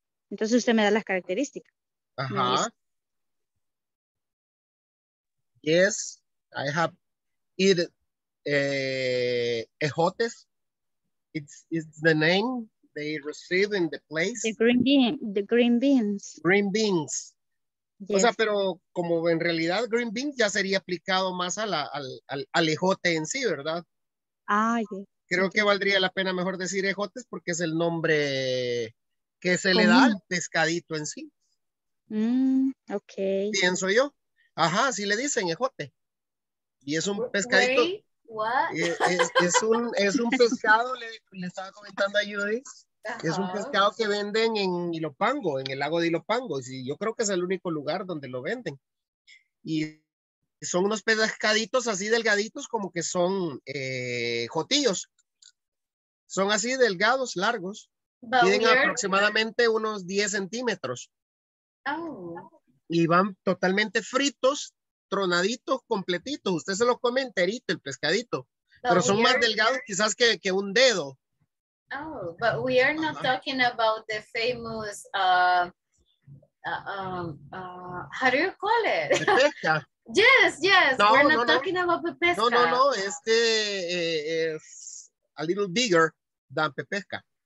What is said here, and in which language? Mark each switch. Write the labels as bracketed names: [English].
[Spanish] Entonces usted me da las características. Ajá. [English] Yes, I have eaten ejotes. It's the name they receive in the place. The green beans. Yes. [Spanish] O sea, pero como en realidad green beans ya sería aplicado más a la, al ejote en sí, ¿verdad? [English] Ah, yes. [Spanish] Creo que valdría la pena mejor decir ejotes porque es el nombre que se le da al pescadito en sí. [English] Okay. [Spanish] Pienso yo. Ajá, así le dicen ejote. Y es un pescadito. [English] Wait. What? [Spanish] Es un pescado, le estaba comentando a Judith, que es un pescado que venden en Ilopango, en el lago de Ilopango, y yo creo que es el único lugar donde lo venden. Y son unos pescaditos así delgaditos, como que son jotillos. Son así delgados, largos. Tienen aproximadamente unos 10 centímetros. Oh. Y van totalmente fritos. Tronaditos completitos, usted se lo come enterito el pescadito, pero son más delgados quizás que un dedo. [English] Oh, but we are not talking about the famous how do you call it? Yes, no, we're not talking no. about pepesca. [Spanish] No, este es [English] a little bigger than pepesca.